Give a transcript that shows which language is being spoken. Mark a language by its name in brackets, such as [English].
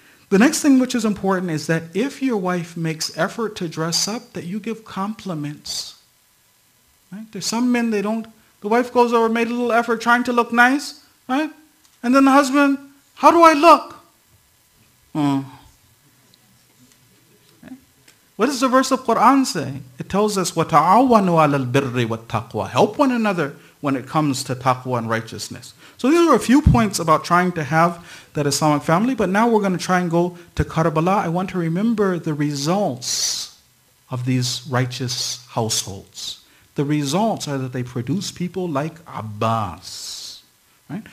[English] The next thing which is important is that if your wife makes effort to dress up, that you give compliments. Right? There's some men, they don't, The wife goes over, made a little effort trying to look nice, right? And then the husband, how do I look? What does the verse of Quran say? It tells us, [Arabic] وَتَعَوَّنُوا عَلَى الْبِرِّ وَالتَّقْوَى. [English] Help one another when it comes to taqwa and righteousness. So these are a few points about trying to have that Islamic family, but now we're going to try and go to Karbala. I want to remember the results of these righteous households. The results are that they produce people like Abbas. Right?